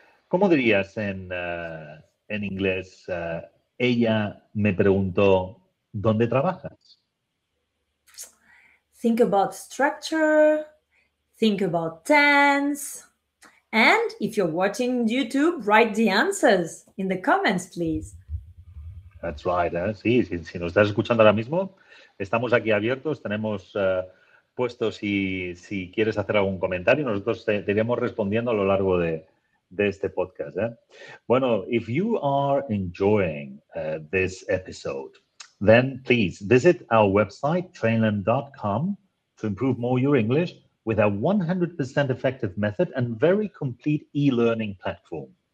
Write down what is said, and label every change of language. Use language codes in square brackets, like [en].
[es] ¿Cómo dirías en inglés? Ella me preguntó dónde trabajas. [en] Think about structure. Think about tense. And if you're watching YouTube, write the answers in the comments, please. That's right. [es] Si nos estás escuchando ahora mismo, estamos aquí abiertos. Tenemos puesto si quieres hacer algún comentario, nosotros te iremos respondiendo a lo largo de este podcast. [en] Bueno, if you are enjoying this episode, then please visit our website, trainland.com, to improve more your English with our 100% effective method and very complete e-learning platform.